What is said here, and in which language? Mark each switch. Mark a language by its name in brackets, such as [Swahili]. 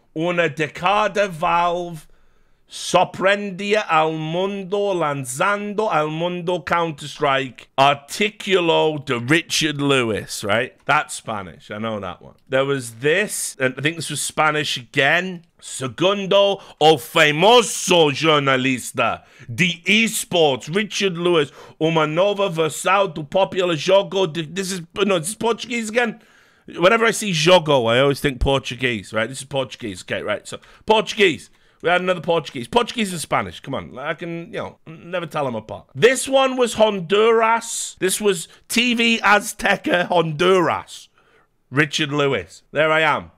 [Spanish] una decada valve sorprendia al mundo lanzando al mundo CounterStrike articulo de Richard Lewis, [English] right? That's Spanish. I know that one. There was this, and I think this was Spanish again. [Portuguese] Segundo o famoso jornalista de esports, Richard Lewis, uma nova versão do popular jogo. [English] This is Portuguese again. Whenever I see jogo, I always think Portuguese, right? This is Portuguese, okay, right? So, Portuguese. We had another Portuguese. Portuguese and Spanish, come on. I can, you know, never tell them apart. This one was Honduras. This was TV Azteca Honduras. Richard Lewis. There I am.